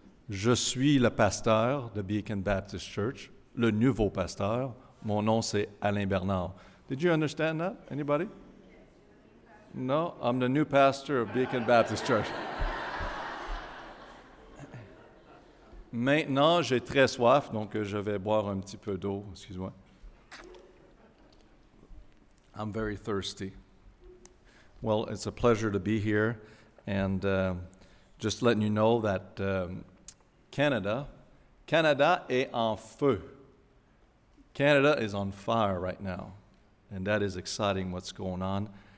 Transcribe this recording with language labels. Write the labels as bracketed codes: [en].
[fr] Je suis le pasteur de Beacon Baptist Church, le nouveau pasteur. Mon nom, c'est Alain Bernard. [en] Did you understand that, anybody? No, I'm the new pastor of Beacon Baptist Church. [fr] Maintenant, j'ai très soif, donc je vais boire un petit peu d'eau, excuse-moi. [en] I'm very thirsty. Well, it's a pleasure to be here, and just letting you know that Canada [fr] est en feu. [en] Canada is on fire right now, and that is exciting what's going on.